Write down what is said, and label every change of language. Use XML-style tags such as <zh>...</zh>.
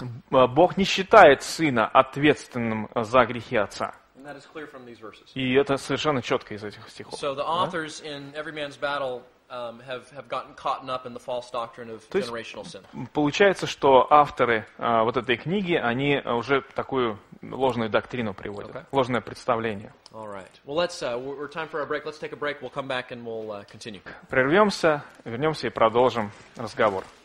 <ru>Бог не считает сына ответственным за грехи отца.</ru> <en>And that is clear from these verses.</en> <ru>И это совершенно четко из этих стихов.</ru> <en>So the authors in Every Man's Battle have gotten caught up in the false doctrine of generational sin.</en> <ru>Получается, что авторы вот этой книги, они уже такую ложную доктрину приводят, okay. Ложное представление.</ru> <en>All right. Well, let's we're time for our break. Let's take a break. We'll come back and we'll continue.</en> <ru>Прервемся, вернемся и продолжим разговор.</ru>